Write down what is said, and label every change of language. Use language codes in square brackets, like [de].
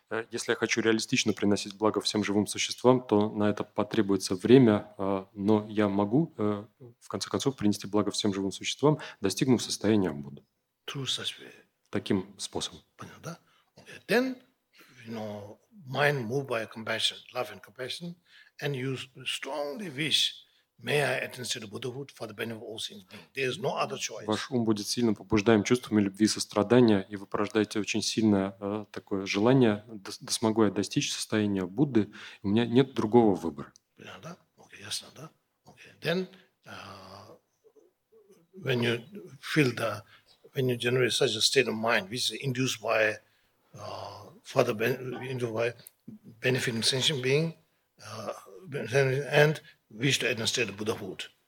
[ru] Если я хочу реалистично приносить благо всем живым существам, то на это потребуется время, но я могу, в конце концов, принести благо всем живым существам, достигнув состояния Будды. [en] Through such way. [ru] Таким способом. Понял, да? Okay. [en] Then, you know, mind moved by compassion, love and compassion, and you strongly wish. May I attain state of Buddhahood for the benefit of all sentient beings? There is no other choice. [ru] Ваш ум будет сильно побуждаем чувствами любви и сострадания, и вы порождаете очень сильное такое желание, да смогу я достичь состояния Будды, у меня нет другого выбора. Понятно, да? Окей, ясно, да? Окей. [en] Then, when you feel the, when you generate such a state of mind, which is induced by, for the induced by benefiting sentient being, and wish to attain state of Buddhahood.